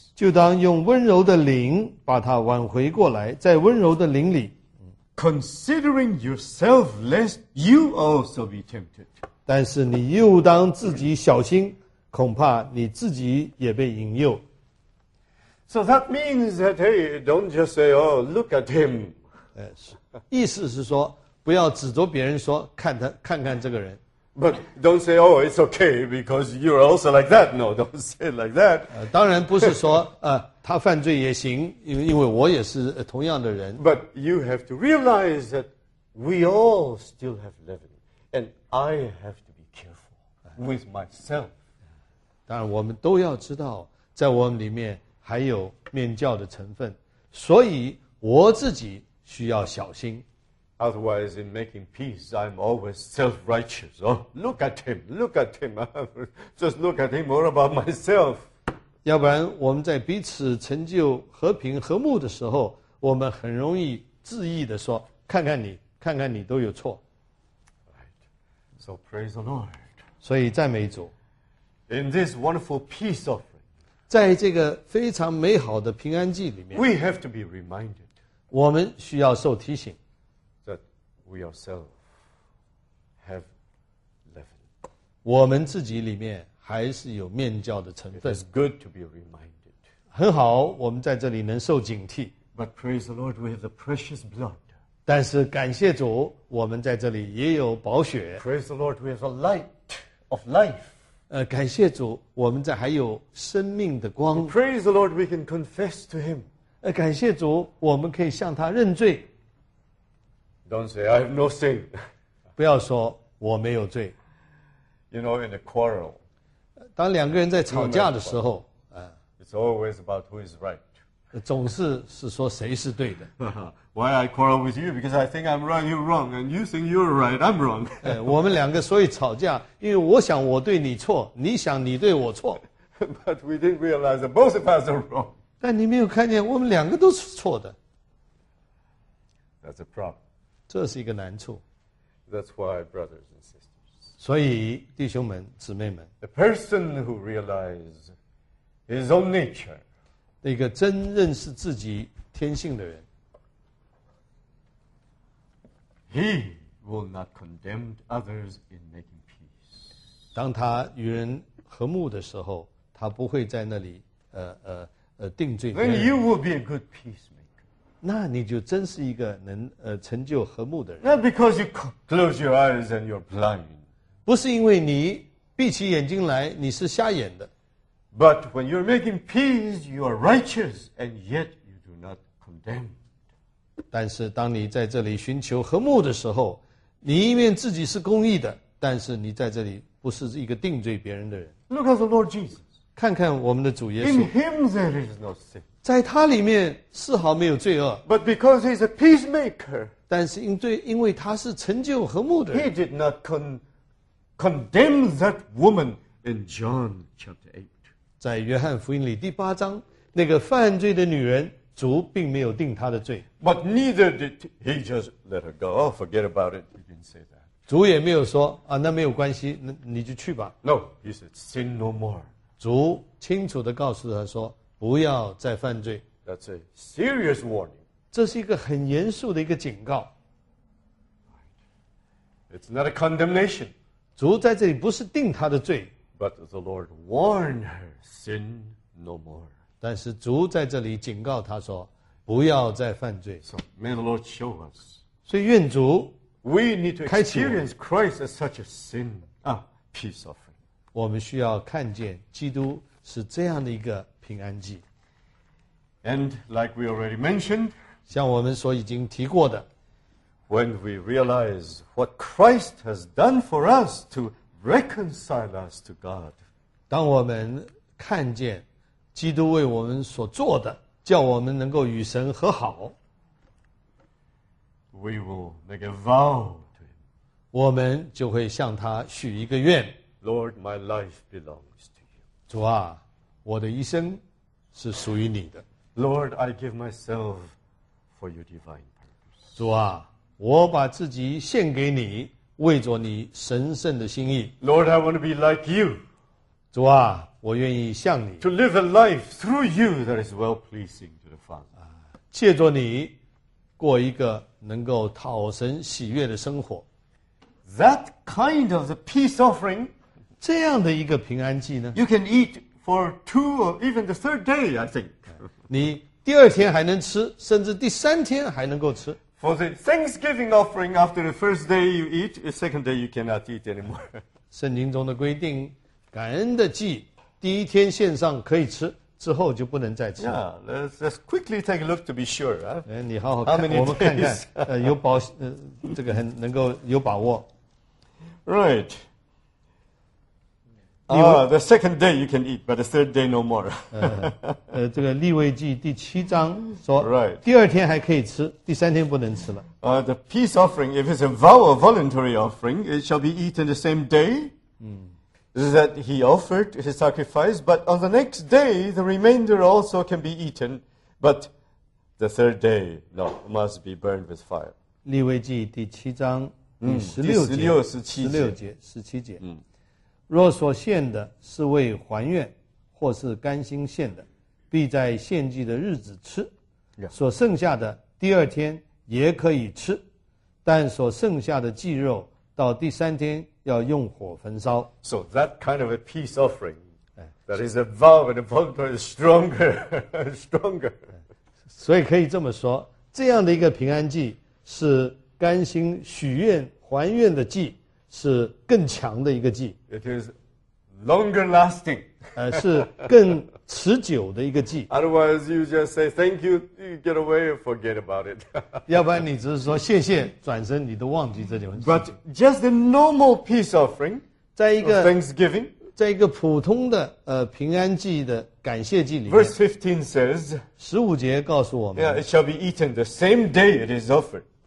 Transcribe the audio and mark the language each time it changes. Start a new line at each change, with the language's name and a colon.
Chinese: 就当用温柔的灵把他挽回过来，在温柔的灵里
English: ，Considering yourself lest you also be tempted，
Chinese: 但是你又当自己小心，恐怕你自己也被引诱。
English: So that means that, hey, don't just say, oh, look at him.
Chinese: 意思是说，不要指着别人说，看他，看看这个人。
English: But don't say, oh, it's okay, because you're also like that. No, don't say like that.
Chinese: 当然不是说，他犯罪也行，因为我也是同样的人。
English: But you have to realize that we all still have leaven, and I have to be careful with myself.
Chinese: 当然我们都要知道，在我们里面还有面教的成分，所以我自己需要小心。
English: Otherwise, in making peace, I'm always self-righteous. Oh, look at him, look at him. Just look at him. What about myself?
Chinese: 要不然我们在彼此成就和平和睦的时候，我们很容易自意的说：“看看你，看看你都有错。”
English: Right. So praise the Lord.
Chinese: 所以赞美主。
English: In this wonderful peace of
Chinese: 在这个非常美好的平安祭里面
English: ，We have to be reminded，
Chinese: 我们需要受提醒
English: ，that we ourselves have leaven，
Chinese: 我们自己里面还是有面教的成分。
English: It's good to be reminded，
Chinese: 很好，我们在这里能受警惕。
English: But praise the Lord, we have the precious blood，
Chinese: 但是感谢主，我们在这里也有宝血。
English: Praise the Lord, we have the light of life。
Chinese: 感谢主，我们这还有生命的光。
English: Praise the Lord, we can confess to Him.
Chinese: 感谢主，我们可以向他认罪。
English: Don't say I have no sin.
Chinese: 不要说我没有罪。
English: You know, in a quarrel,
Chinese: 当两个人在吵架的时候
English: ，It's always about who is right.
Chinese: 总是说谁是对的。
English: Why I quarrel with you? Because I think I'm right, you're wrong, and you think you're right, I'm wrong.
Chinese: 我们两个所以吵架，因为我想我对你错，你想你对我错。
English: But we didn't realize that both of us are wrong.
Chinese: 但你没有看见，我们两个都是错的。
English: That's a problem.
Chinese: 这是一个难处。
English: That's why, brothers and sisters.
Chinese: 所以弟兄们、姊妹们
English: ，The person who realizes his own nature，
Chinese: 那个真认识自己天性的人。
English: He will not condemn others in making peace.
Chinese: 当他与人和睦的时候，他不会在那里定罪。
English: Then you will be a good peacemaker.
Chinese: 那你就真是一个能成就和睦的人。
English: Not because you close your eyes and you're blind.
Chinese: 不是因为你闭起眼睛来你是瞎眼的。
English: But when you're making peace, you are righteous, and yet you do not condemn.
Chinese: 但是当你在这里寻求和睦的时候，你一面自己是公义的，但是你在这里不是一个定罪别人的人。
English: Look at the Lord Jesus.
Chinese: 看看我们的主耶稣。
English: In him there is no sin.
Chinese: 在他里面丝毫没有罪恶。
English: But because he's a peacemaker.
Chinese: 但是因为他是成就和睦的人。
English: He did not condemn that woman in John chapter 8.
Chinese: 在约翰福音里第八章，那个犯罪的女人。主并没有定他的罪
English: ，But neither did he just let her go. Oh, forget about it. He didn't say that.
Chinese: 主也没有说啊，那没有关系，那你就去吧。
English: No, he said, sin no more.
Chinese: 主清楚地告诉他说，不要再犯罪。
English: That's a serious warning.
Chinese: 这是一个很严肃的一个警告。
English: It's not a condemnation.
Chinese: 主在这里不是定他的罪
English: ，But the Lord warned her, sin no more.
Chinese: 但是主在这里警告他说，不要再犯罪。
English: So, may the Lord show us.
Chinese: 所以愿主
English: ，We need to experience Christ as such a sin 啊 ，peace offering。
Chinese: 我们需要看见基督是这样的一个平安祭。
English: And like we already mentioned，
Chinese: 像我们所已经提过的
English: ，When we realize what Christ has done for us to reconcile us to God，
Chinese: 当我们看见基督为我们所做的，叫我们能够与神和好。
English: We will make a vow to him.
Chinese: 我们就会向他许一个愿。
English: Lord, my life belongs to you.
Chinese: 主啊，我的一生是属于你的。
English: Lord, I give myself for your divine purpose.
Chinese: 主啊，我把自己献给你，为着你神圣的心意。
English: Lord, I want to be like you.
Chinese: 主啊，我愿意像你。
English: To live a life through you that is well pleasing to the Father.
Chinese: 借着你过一个能够讨神喜悦的生活。
English: That kind of the peace offering,
Chinese: 这样的一个平安祭呢，
English: you can eat for two or even the third day, I think.
Chinese: 你第二天还能吃，甚至第三天还能够吃。
English: For the Thanksgiving offering, after the first day you eat, the second day you cannot eat anymore.
Chinese: 圣经中的规定，感恩的祭，第一天献上可以吃，之后就不能再吃了。
English: Yeah, let's quickly take a look to be sure.
Chinese: 你好好看，我们看看，有保，这个很能够有把握。
English: Right. The second day you can eat, but the third day no more.
Chinese: 这个利未记第七章说，
English: right.
Chinese: 第二天还可以吃，第三天不能吃了。
English: The peace offering, if it's a vow or voluntary offering, it shall be eaten the same day. 是 that he offered his sacrifice, but on the next day the remainder also can be eaten, but the third day no must be burned with fire.
Chinese: 利未记第七章第十六节，第十六、十七节，十六节、十七节。若所献的是为还愿，或是甘心献的，必在献祭的日子吃；所剩下的第二天也可以吃，但所剩下的祭肉到第三天要用火焚烧。
English: So that kind of a peace offering, that is a vow and a voluntary, is stronger, stronger.
Chinese: 所以可以这么说，这样的一个平安祭是甘心许愿还愿的祭，是更强的一个祭。
English: It is longer lasting.
Chinese: 是更持久的一个祭。
English: Otherwise, you just say thank you, you get away, forget about it.
Chinese: 要不然你只是说谢谢，转身你都忘记这件事。
English: But just a normal peace offering,
Chinese: 在一个
English: Thanksgiving,
Chinese: 在一个普通的平安祭的感谢祭里面。
English: Verse 15 says,
Chinese: 十五节告诉我们，
English: Yeah, it shall be eaten the same day it is offered.